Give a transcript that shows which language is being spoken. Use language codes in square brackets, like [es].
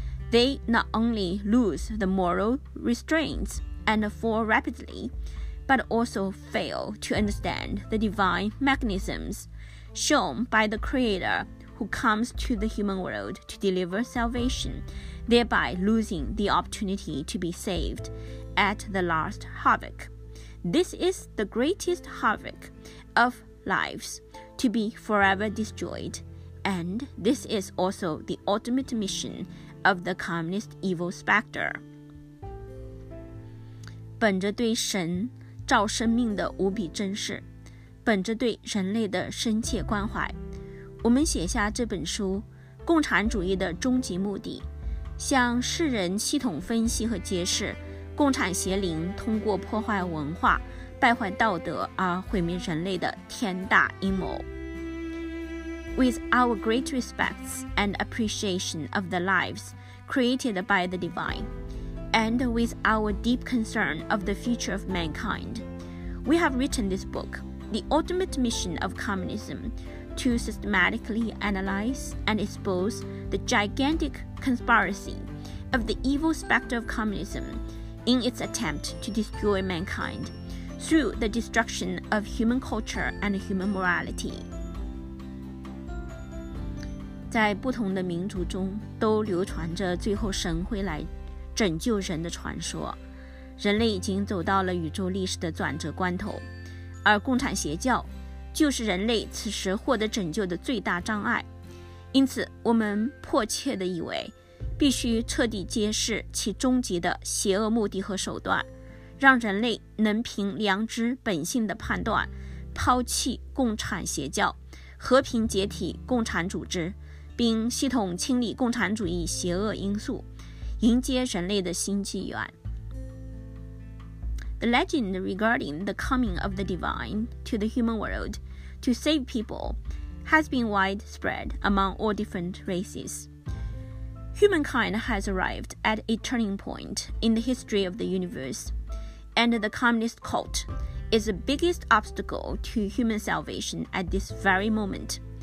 [en] They not only lose the moral restraints and fall rapidly, but also fail to understand the divine mechanisms shown by the Creator who comes to the human world to deliver salvation, thereby losing the opportunity to be saved at the last havoc. This is the greatest havoc of lives to be forever destroyed, and this is also the ultimate missionof the communist evil specter. [zh] 本着对神造生命的无比珍视，本着对人类的深切关怀，我们写下这本书《共产主义的终极目的》，向世人系统分析和揭示共产邪灵通过破坏文化、败坏道德而毁灭人类的天大阴谋。 [en] With our great respects and appreciation of the lives created by the divine, and with our deep concern of the future of mankind, we have written this book, The Ultimate Mission of Communism, to systematically analyze and expose the gigantic conspiracy of the evil specter of communism in its attempt to destroy mankind through the destruction of human culture and human morality. [zh] 在不同的民族中都流传着最后神会来拯救人的传说，人类已经走到了宇宙历史的转折关头，而共产邪教就是人类此时获得拯救的最大障碍。因此我们迫切地以为必须彻底揭示其终极的邪恶目的和手段，让人类能凭良知本性的判断抛弃共产邪教，和平解体共产组织，并系统清理共产主义邪恶因素，迎接人类的新纪元。 [en] The legend regarding the coming of the divine to the human world to save people has been widespread among all different races. Humankind has arrived at a turning point in the history of the universe, and the communist cult is the biggest obstacle to human salvation at this very moment.